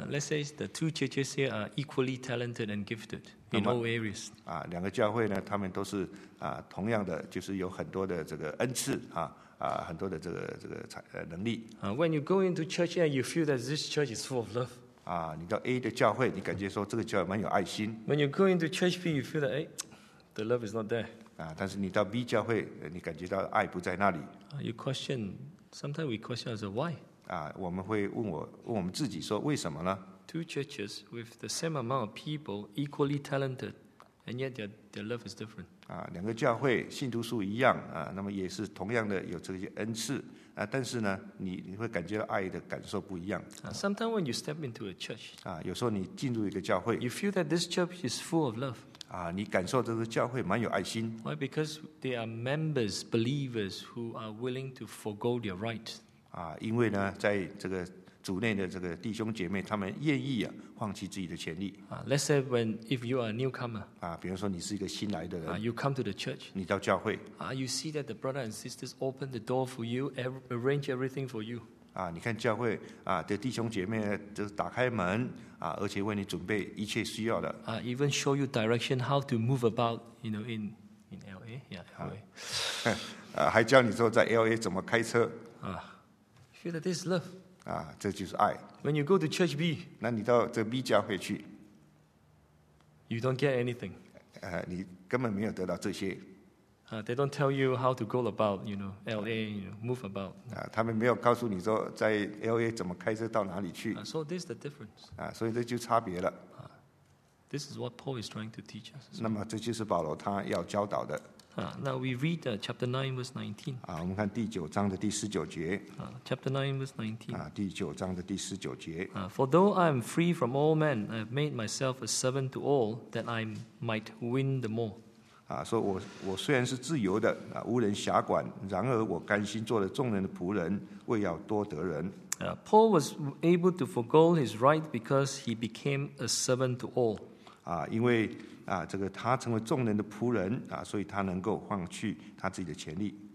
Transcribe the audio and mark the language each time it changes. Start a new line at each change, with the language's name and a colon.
English: Let's say the two churches here are equally talented and gifted in all areas.
Chinese: 两个教会呢，他们都是同样的，就是有很多的这个恩赐很多的这个能力。
English: When you go into church here, you feel that this church is full of love.
Chinese: 你到 A 的教会，你感觉说这个教会蛮有爱心。
English: When you go into church B, you feel that the love is not there.
Chinese: 但是你到 B 教会，你感觉到爱不在那里。
English: You question. Sometimes we question ourselves why.
Chinese: 我们会问我们自己说为什么呢
English: ？Two churches with the same amount of people, equally talented, and yet their love is different.
Chinese: 两个教会信徒数一样那么也是同样的有这些恩赐但是呢，你会感觉到爱的感受不一样。
English: Sometimes when you step into a church,
Chinese: 有时候你进入一个教会
English: ，you feel that this church is full of love.
Chinese: 你感受这个教会蛮有爱心。
English: Why? Because there are members, believers who are willing to forego their right.
Chinese: 因为呢，在这个主内的这个弟兄姐妹，他们愿意放弃自己的权利。
English: Let's say if you are a newcomer.
Chinese: 比如说你是一个新来的人。
English: You come to the church.
Chinese: 你到教会。
English: You see that the brothers and sisters open the door for you, arrange everything for you.
Chinese: 你看教会的弟兄姐妹都打开门而且为你准备一切需要的。
English: Even show you direction how to move about, in LA. Yeah, LA.
Chinese: 还教你说在 LA 怎么开车。
English: Feel that this is love.
Chinese: 这就是爱。
English: When you go to church B,
Chinese: 那你到这 B 教会去。
English: You don't get anything.
Chinese: 你根本没有得到这些。
English: They don't tell you how to go about, LA, move about.
Chinese: 他们没有告诉你说在 LA 怎么开车到哪里去。
English: So this is the difference.
Chinese: 所以这就差别了。
English: This is what Paul is trying to teach us.
Chinese: 那么这就是保罗他要教导的。
English: Now we read chapter 9, verse 19.
Chinese: 我们看第九章的第十九节。
English: Chapter 9, verse 19.
Chinese: 第九章的第十九节。
English: For though I am free from all men, I have made myself a servant to all, that I might win the more.
Chinese: 说我虽然是自由的无人辖管，然而我甘心做了众人的仆人，为要多得人。
English: Paul was able to forego his right because he became a servant to all.
Chinese: 因为这个他成为众人的仆人所以他能够放弃他自己的权利。